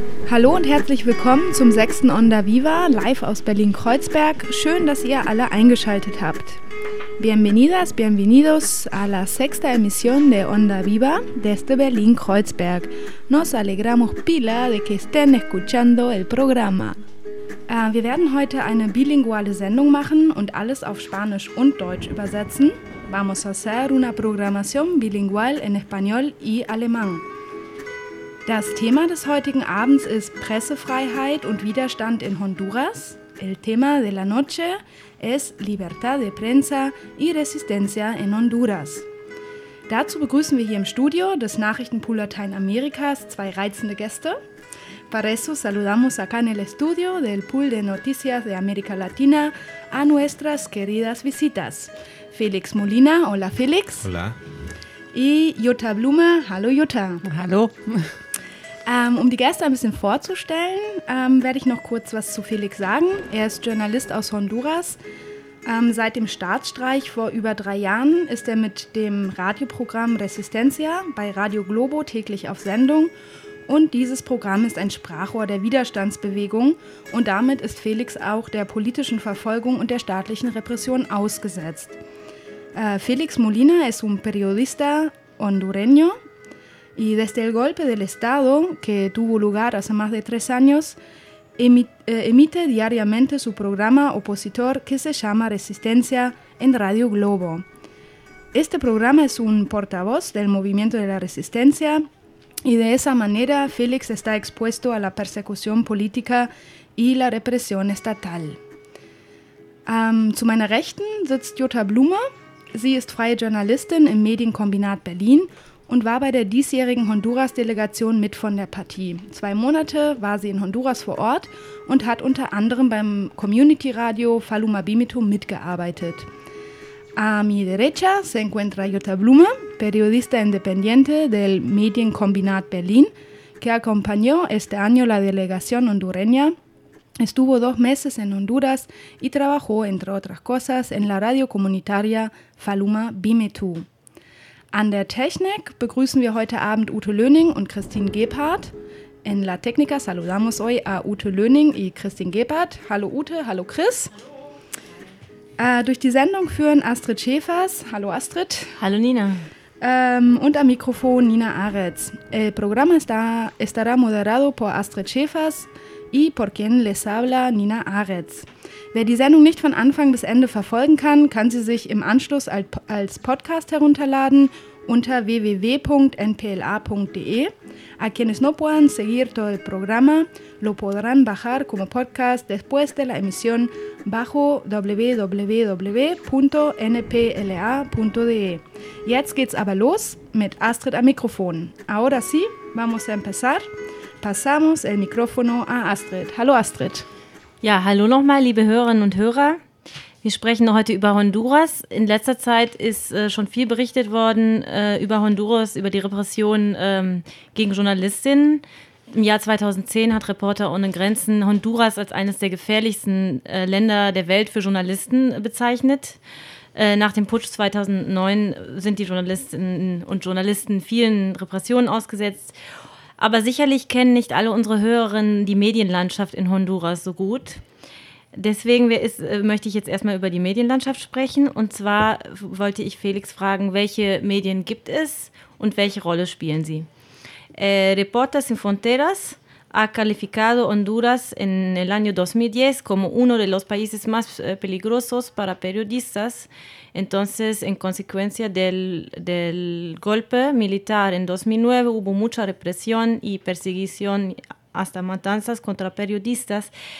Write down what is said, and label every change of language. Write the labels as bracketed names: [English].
[German] Hallo und herzlich willkommen zum 6. Onda Viva, live aus Berlin-Kreuzberg. Schön, dass ihr alle eingeschaltet habt. [Spanish] Bienvenidas, bienvenidos a la sexta emisión de Onda Viva desde Berlin-Kreuzberg. Nos alegramos pila de que estén escuchando el programa. [German] Wir werden heute eine bilinguale Sendung machen und alles auf Spanisch und Deutsch übersetzen. [Spanish] Vamos a hacer una programación bilingual en español y alemán. [German] Das Thema des heutigen Abends ist Pressefreiheit und Widerstand in Honduras. [Spanish] El tema de la noche es Libertad de Prensa y Resistencia en Honduras. [German] Dazu begrüßen wir hier im Studio des Nachrichtenpool Lateinamerikas zwei reizende Gäste. [Spanish] Para eso saludamos acá en el estudio del Pool de Noticias de América Latina a nuestras queridas visitas. Félix Molina, hola Félix. Hola. Y Jutta Blume, [German] hallo Jutta. Hallo. Um die Gäste ein bisschen vorzustellen, werde ich noch kurz was zu Félix sagen. Er ist Journalist aus Honduras. Seit dem Staatsstreich vor über 3 Jahren ist er mit dem Radioprogramm Resistencia bei Radio Globo täglich auf Sendung. Und dieses Programm ist ein Sprachrohr der Widerstandsbewegung. Und damit ist Félix auch der politischen Verfolgung und der staatlichen Repression ausgesetzt. [Spanish] Félix Molina es un periodista hondureño. Y desde el golpe del Estado, que tuvo lugar hace más de 3 años, emite diariamente su programa opositor que se llama Resistencia en Radio Globo. Este programa es un portavoz del movimiento de la Resistencia y de esa manera Félix está expuesto a la persecución política y la represión estatal. [German] Zu meiner Rechten sitzt Jutta Blume. Sie ist freie Journalistin im Medienkombinat Berlin und war bei der diesjährigen Honduras-Delegation mit von der Partie. 2 Monate war sie in Honduras vor Ort und hat unter anderem beim Community-Radio Faluma Bimito mitgearbeitet. [Spanish] A mi derecha se encuentra Jutta Blume, periodista independiente del Medienkombinat Berlin, que acompañó este año la delegación hondureña. Estuvo 2 meses en Honduras y trabajó, entre otras cosas, en la radio comunitaria Faluma Bimito. [German] An der Technik begrüßen wir heute Abend Ute Löning und Christine Gebhardt. [Spanish] En la técnica saludamos hoy a Ute Löning y Christine Gebhardt. [German] Hallo Ute, hallo Chris. Durch die Sendung führen Astrid Schäfers. Hallo Astrid. Hallo Nina. Und am Mikrofon Nina Aretz. [Spanish] El programa estará moderado por Astrid Schäfers y por quien les habla Nina Aretz. [German] Wer die Sendung nicht von Anfang bis Ende verfolgen kann, kann sie sich im Anschluss als Podcast herunterladen unter www.npla.de. [Spanish] A quienes no puedan seguir todo el programa, lo podrán bajar como podcast después de la emisión bajo www.npla.de. [German] Jetzt geht's aber los mit Astrid am Mikrofon. [Spanish] Ahora sí, vamos a empezar. Pasamos el micrófono a Astrid. [German] Hallo Astrid. Ja, hallo nochmal, liebe Hörerinnen und Hörer. Wir sprechen heute über Honduras. In letzter Zeit ist schon viel berichtet worden über Honduras, über die Repression gegen Journalistinnen. Im Jahr 2010 hat Reporter ohne Grenzen Honduras als eines der gefährlichsten Länder der Welt für Journalisten bezeichnet. Nach dem Putsch 2009 sind die Journalistinnen und Journalisten vielen Repressionen ausgesetzt. Aber sicherlich kennen nicht alle unsere Hörerinnen die Medienlandschaft in Honduras so gut. Deswegen möchte ich jetzt erstmal über die Medienlandschaft sprechen. Und zwar wollte ich Félix fragen, welche Medien gibt es und welche Rolle spielen sie? [Spanish] Reportas sin Fronteras ha calificado Honduras en el año 2010 como uno de los países más peligrosos para periodistas. Entonces, en consecuencia del golpe militar en 2009, hubo mucha represión y persecución hasta matanzas contra periodistas.